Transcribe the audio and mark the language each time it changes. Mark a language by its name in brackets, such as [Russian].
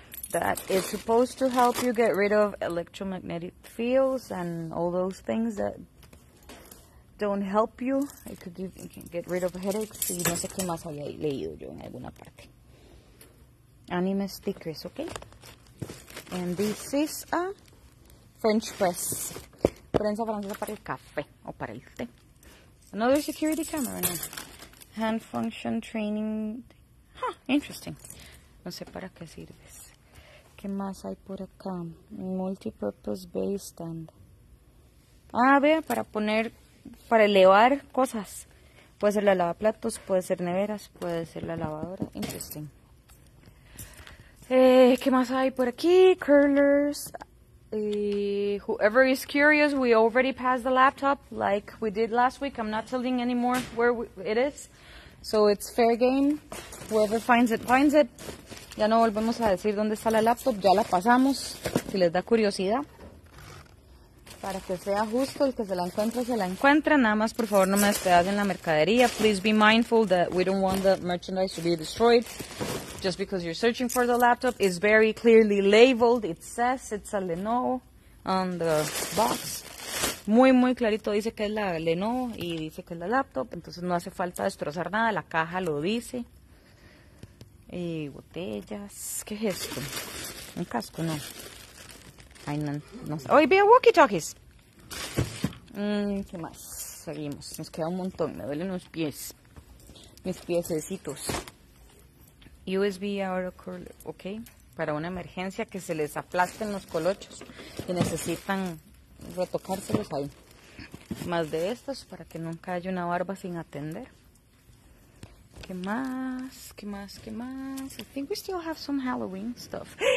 [English] That is supposed to help you get rid of electromagnetic fields and all those things that don't help you. It could give, it can get rid of headaches. [Spanish] Y no sé qué más había leído yo en alguna parte. [English] Anime stickers, okay? And this is a French press. [Spanish] Prensa francesa para el café o para el té. [English] Another security camera. No. Hand function training. Huh, interesting. [Spanish] No sé para qué sirve. ¿Qué más hay por acá? [English] Multipurpose base stand. [Spanish] Ah, vea, para poner, para elevar cosas. Puede ser la lavaplatos, puede ser neveras, puede ser la lavadora. [English] Interesting. [Spanish] ¿Qué más hay por aquí? Curlers. [English] Whoever is curious, we already passed the laptop like we did last week. I'm not telling anymore where it is. So it's fair game. Whoever finds it, finds it. [Spanish] Ya no volvemos a decir dónde está la laptop, ya la pasamos, si les da curiosidad. Para que sea justo, el que se la encuentre, se la encuentra. Nada más, por favor, no me despedacen la mercadería. [English] Please be mindful that we don't want the merchandise to be destroyed just because you're searching for the laptop. It's very clearly labeled. It says it's a Lenovo on the box. [Spanish] Muy, muy clarito dice que es la Lenovo y dice que es la laptop. Entonces no hace falta destrozar nada, la caja lo dice. Y botellas, ¿qué es esto? Un casco, no. Ay, no sé. ¡Oh, vea walkie-talkies! ¿Qué más? Seguimos. Nos queda un montón. Me duelen los pies. Mis piececitos. [English] USB auto curler, ¿ok? [Spanish] Para una emergencia que se les aplasten los colochos y necesitan retocárselos ahí. Más de estos para que nunca haya una barba sin atender. ¿Qué más? ¿Qué más? ¿Qué más? [English] I think we still have some Halloween stuff.